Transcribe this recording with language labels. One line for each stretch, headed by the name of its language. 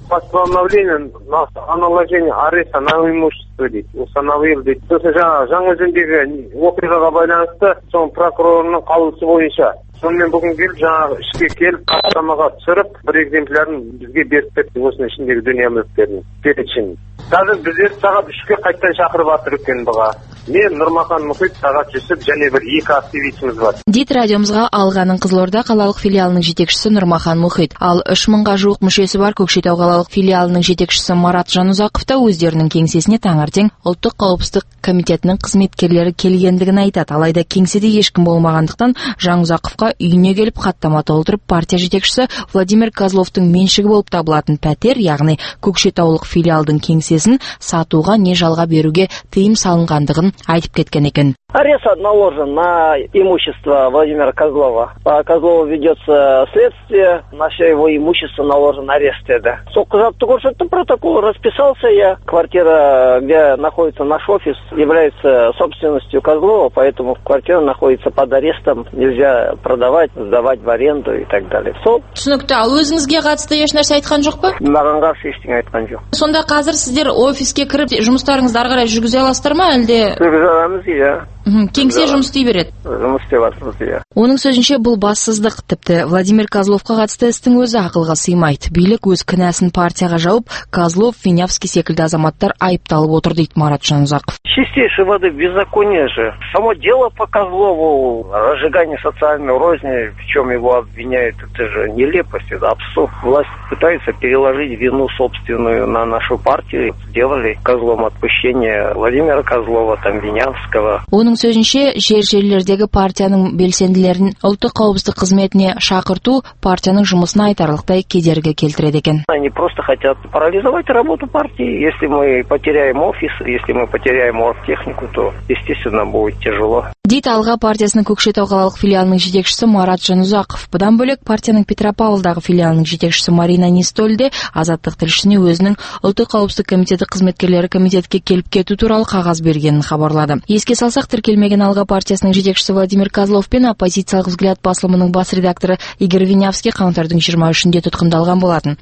Russian: Постановление наложение ареста на имущество дейді. Установил дейді.
Kazakh: Сосын Жаңаөзендегі оқиғаға байланысты соң прокурорының қаулысы бойынша. Сонымен бүгін келіп жаңағы ішке келіп хаттамаға түсіріп бір экземплярын бізге беріп кетті. Осының ішіндегі дүние мүліктерін перечень. Қазір біздер сағат үшке қайттан шақырып атырып кен бұға. Мен Нұрмахан Мұхит, Сағат Жүсіп және бір екі активистіміз бар. Дит радиомызға Алғаның Қызылорда қалалық филиалының жетекшісі Нұрмахан Мұхит. Ал 3000-ға жуық мүшесі бар Көкшетау қалалық филиалының жетекшісі Марат Жанұзақов та өздерінің кеңсесіне таңертең Ұлттық қауіпсіздік комитетінің қызметкерлері келгендігін айтады. Алайда кеңседе ешкім болмағандықтан Жанұзақовқа үйіне келіп хаттама толтырып, партия жетекшісі Владимир Козловтың меншігі болып табылатын пәтер, яғни Көкшетаулық филиалдың кеңсесін сатуға не жалға беруге тыйым салынғандығын айтып кеткен екен.
Russian: Арест наложен на имущество Владимира Козлова. По Козлову ведется следствие, на все его имущество наложен арест. Протокол расписался я. Квартира, где находится наш офис, является собственностью Козлова, поэтому квартира находится под арестом. Нельзя продавать, сдавать в аренду и так далее.
Kazakh: Түсінікті, ал өзіңізге қатысты ешнәрсе айтқан жоқ па? Маған қарсы ештеңе айтқан жоқ. Сонда қазір сіздер офиске кіріп жұмыстарыңызды ары қарай жүргізе аласыздар ма, әлде? Жүргізе аламыз, иә. Кеңсе жұмыс істей береді. Жұмыс істеп жатырмыз, иә. Оның сөзінше бұл бассыздық, тіпті Владимир Козловқа қатысты істің өзі ақылға сыймайды. Билік өз кінәсін партияға жауып, Козлов, Винявский секілді азаматтар айыпталып отыр, дейді Марат Жанұзақов.
Russian: Чистейшей воды беззаконие же. Само дело по Козлову, разжигание социальной розни, в чем его обвиняют, это же нелепость, это абсурд. Власть пытается переложить вину собственную на нашу партию. Сделали Козлом отпущение Владимира Козлова, там Винявского.
Kazakh: Оның сөзінше, жер-жерлердегі партияның белсенділерін ұлттық қауіпсіздік қызметіне шақырту партияның жұмысына айтарлықтай кедергі келтіреді екен.
Russian: Они просто хотят парализовать работу партии. Если мы потеряем офис, если мы потеряем оргтехнику, то, естественно, будет тяжело.
Kazakh: Дит Алға партиясының Көкшетау қалалық филиалының жетекшісі Марат Жанұзақов. Бұдан бөлек партияның Петропавлдағы филиалының жетекшісі Марина Нестольде Азаттық тілшісіне өзінің Ұлттық қауіпсіздік комитеті қызметкерлері комитетке келіп кету туралы қағаз бергенін хабарлады. Еске салсақ, тіркелмеген Алға партиясының жетекшісі Владимир Козлов пен оппозициялық Взгляд басылымының бас редакторы Игорь Винявский қаңтардың 23-інде тұтқындалған болатын.